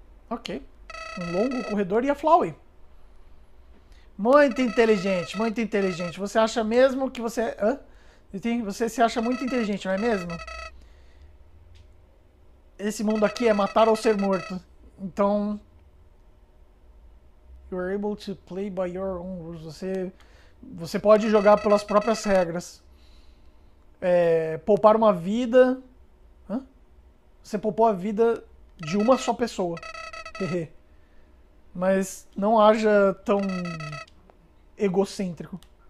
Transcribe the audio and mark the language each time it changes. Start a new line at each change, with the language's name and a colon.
Portuguese: Ok. Um longo corredor e a Flowey. Muito inteligente, muito inteligente. Você acha mesmo que você... Hã? Você se acha muito inteligente, não é mesmo? Esse mundo aqui é matar ou ser morto. Então...
English: You are able to play by your own rules.
Portuguese: Você pode jogar pelas próprias regras. É, poupar uma vida... Hã? Você poupou a vida de uma só pessoa. Mas não haja tão... egocêntrico.